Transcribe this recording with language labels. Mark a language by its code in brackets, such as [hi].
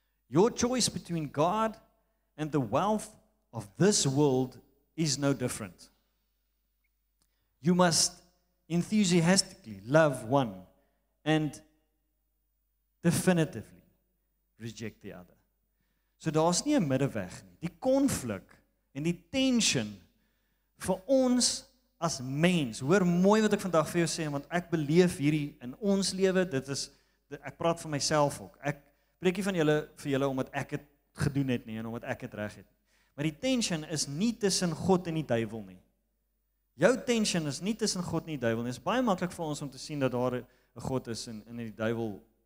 [en] Your choice between God and the wealth of this world is no different. You must enthusiastically love one and definitively reject the other. [af] So daar is nie 'n middeweg nie. Die konflik en die tension vir ons as mens. Hoor mooi wat ek vandag vir jou sê, want ek beleef hierdie in ons lewe. Dit is, ek praat vir myself ook. Ek preek nie van julle vir julle omdat ek het gedoen het nie en omdat ek het reg het. Maar die tension is nie tussen God en die duivel nie. Jou tension is nie tussen God en die duivel nie. Dit is baie maklik vir ons om te sien dat daar 'n God is en die duivel.